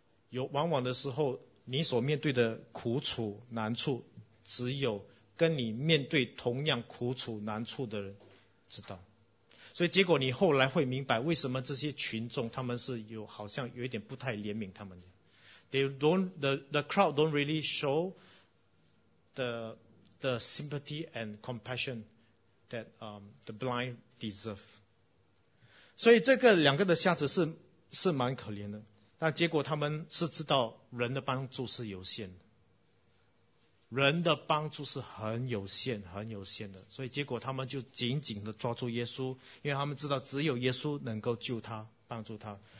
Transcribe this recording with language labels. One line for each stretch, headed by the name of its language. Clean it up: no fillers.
Chinese: 有往往的时候，你所面对的苦楚难处，只有跟你面对同样苦楚难处的人知道。所以结果你后来会明白为什么这些群众他们是有好像有一点不太怜悯他们的。
English: The crowd don't really show the sympathy and compassion that the blind deserve.
Chinese: 所以这个两个的瞎子是蛮可怜的，但结果他们是知道人的帮助是有限的。人的帮助是很有限、很有限的，所以结果他们就紧紧的抓住耶稣，因为他们知道只有耶稣能够救他、帮助他。